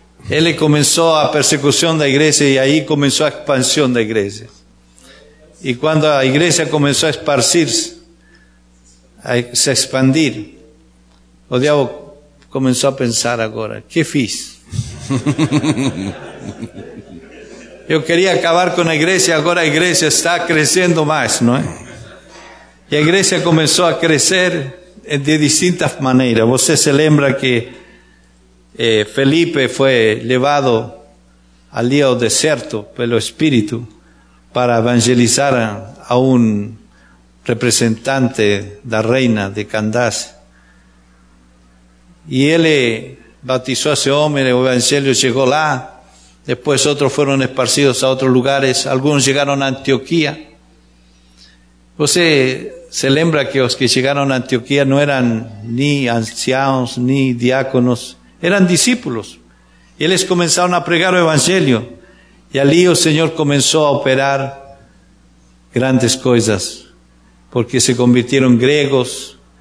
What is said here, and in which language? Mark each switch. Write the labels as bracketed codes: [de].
[es] Él comenzó la persecución de la iglesia y ahí comenzó la expansión de la iglesia. Y cuando la iglesia comenzó a esparcirse, [pt] a se expandir, [es] el diablo comenzó a pensar ahora, ¿qué fiz? [pt] Eu queria acabar com a igreja, agora a igreja está crescendo mais, não é? E a igreja começou a crescer de distintas maneiras. Você se lembra que Felipe foi levado ali ao deserto pelo Espírito para evangelizar a um representante da reina de Candás. E ele batizou esse homem, o evangelho chegou lá. [es] Después otros fueron esparcidos a otros lugares, algunos llegaron a Antioquía. ¿Usted se lembra que los que llegaron a Antioquía no eran ni ancianos ni diáconos, eran discípulos? Y ellos comenzaron a pregar el Evangelio. Y allí el Señor comenzó a operar grandes cosas, porque se convirtieron griegos